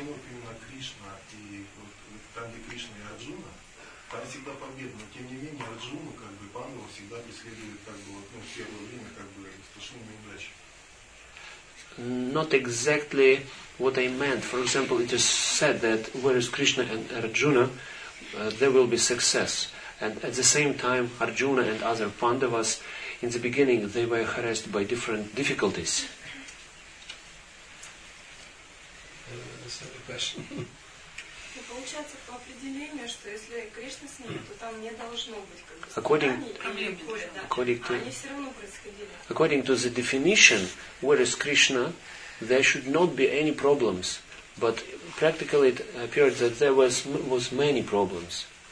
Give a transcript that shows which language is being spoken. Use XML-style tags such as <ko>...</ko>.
<ru>Именно Кришна и вот там, где Кришна и Арджуна, там всегда победа, но тем не менее Арджуна, как бы Пандава всегда преследует, как бы, вот, ну, в первое время, как бы, с тушенными удачами.</ru> <en>Not exactly what I meant. For example, it is said that where is Krishna and Arjuna, there will be success. And at the same time, Arjuna and other Pandavas, in the beginning, they were harassed by different difficulties. That's another question.</en> <ru>Получается по определению, что если Кришна с ними, то там не должно быть.</ru> <en>According to the definition, where is Krishna, there should not be any problems. But practically it appeared that there was many problems.</en>